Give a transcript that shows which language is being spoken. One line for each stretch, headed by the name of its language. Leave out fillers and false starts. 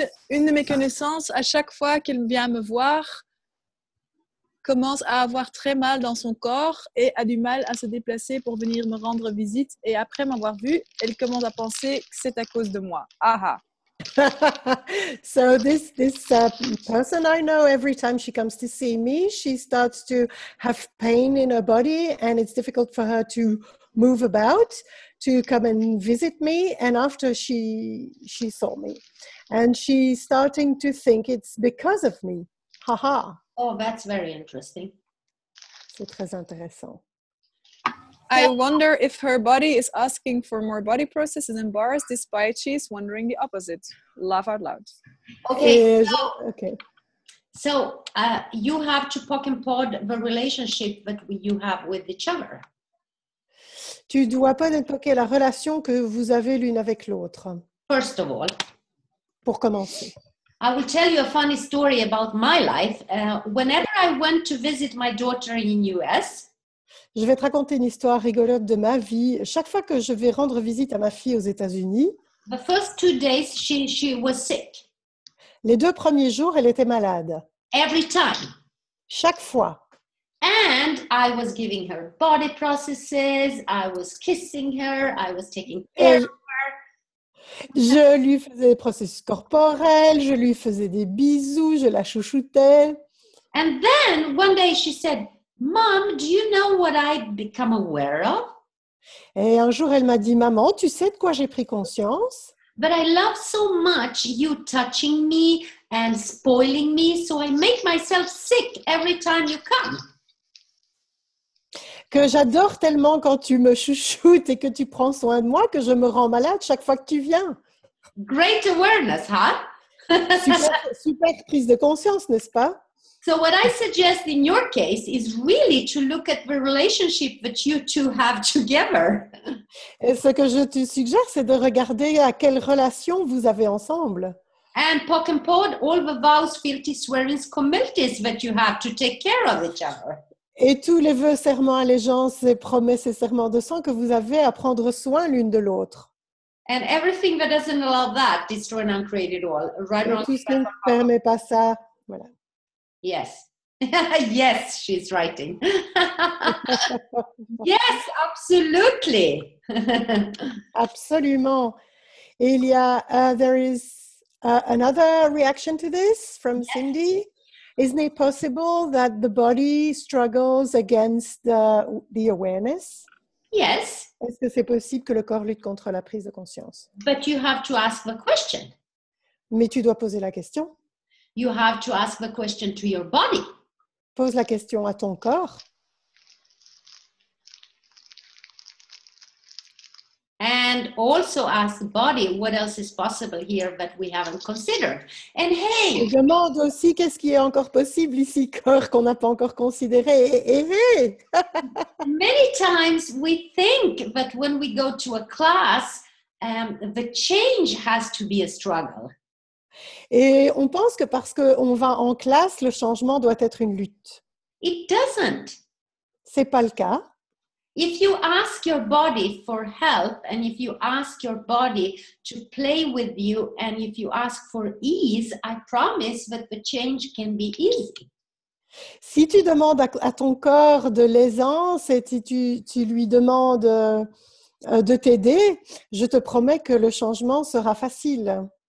French: Une de mes connaissances, à chaque fois qu'elle vient me voir, commence à avoir très mal dans son corps et a du mal à se déplacer pour venir me rendre visite. Et après m'avoir vue, elle commence à penser que c'est à cause de moi. Aha.
English: So this person I know, every time she comes to see me, she starts to have pain in her body and it's difficult for her to move about, to come and visit me. And after she saw me. And she's starting to think it's because of me. Haha. Oh, that's very interesting.
French: C'est très intéressant.
English: I wonder if her body is asking for more body processes and bars, despite she's wondering the opposite. Laugh out loud. Okay. So you have to poke and prod the relationship that you have with each other.
French: Tu dois pas poquer la relation que vous avez l'une avec l'autre.
English: First of all.
French: Pour commencer.
English: I will tell you a funny story about my life. Whenever I went to visit my daughter in US,
French: je vais te raconter une histoire rigolote de ma vie. Chaque fois que je vais rendre visite à ma fille aux États-Unis,
English: the first 2 days she was sick.
French: Les deux premiers jours, elle était malade.
English: Every time.
French: Chaque fois.
English: And I was giving her body processes. I was kissing her. I was taking care.
French: Je lui faisais des processus corporels, je lui faisais des bisous, je la chouchoutais.
English: And then one day she said, "Mom, do you know what I become aware of?"
French: Et un jour elle m'a dit, "Maman, tu sais de quoi j'ai pris conscience?"
English: But I love so much you touching me and spoiling me, so I make myself sick every time you come.
French: Que j'adore tellement quand tu me chouchoutes et que tu prends soin de moi, que je me rends malade chaque fois que tu viens.
English: Great awareness, huh?
French: super prise de conscience, n'est-ce pas?
English: So what I suggest in your case is really to look at the relationship that you two have together.
French: Et ce que je te suggère, c'est de regarder à quelle relation vous avez ensemble.
English: And poke and pod all the vows, fealty, swearings, commitments that you have to take care of each other.
French: Et tous les vœux, serments, allégeances et promesses et serments de sang que vous avez à prendre soin l'une de l'autre.
English: And everything that doesn't allow that, destroy and uncreate it all. Right
French: et tout ce qui ne permet pas ça, voilà.
English: Yes. Yes, she's writing. Yes, absolutely.
French: Absolument. Et il y a,
English: there is another reaction to this from Cindy. Yes. Isn't it possible that the body struggles against the awareness? Yes.
French: Est-ce que c'est possible que le corps lutte contre la prise de conscience?
English: But you have to ask the question.
French: Mais tu dois poser la question.
English: You have to ask the question to your body.
French: Pose la question à ton corps.
English: And also ask the body what else is possible here that we haven't considered. And hey,
French: je demande aussi qu'est-ce qui est encore possible ici, corps, qu'on n'a pas encore considéré.
English: Hey. Many times we think that when we go to a class, the change has to be a struggle.
French: Et on pense que parce qu'on va en classe, le changement doit être une lutte.
English: It doesn't.
French: C'est pas le cas.
English: If you ask your body for help, and if you ask your body to play with you, and if you ask for ease, I promise that the change can be easy.
French: Si tu demandes à ton corps de l'aisance et si tu lui demandes de t'aider, je te promets que le changement sera facile.